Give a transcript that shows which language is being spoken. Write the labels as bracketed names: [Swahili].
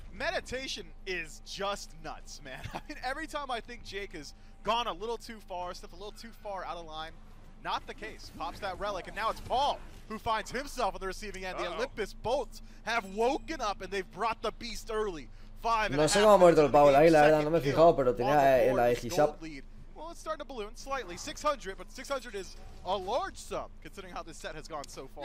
[English] Meditation is just nuts, man. I mean, every time I think Jake has gone a little too far, stepped a little too far out of line, not the case. Pops that relic, and now it's Paul who finds himself on the receiving end. Uh-oh. The Olympus Bolts have woken up, and they've brought the beast early. [Spanish] No sé cómo ha muerto el Paul ahí, la verdad, no me he fijado, pero tenía la X-Up. [English] Well, it's starting to balloon slightly. 600, but 600 is a large sum considering how this set has gone so far.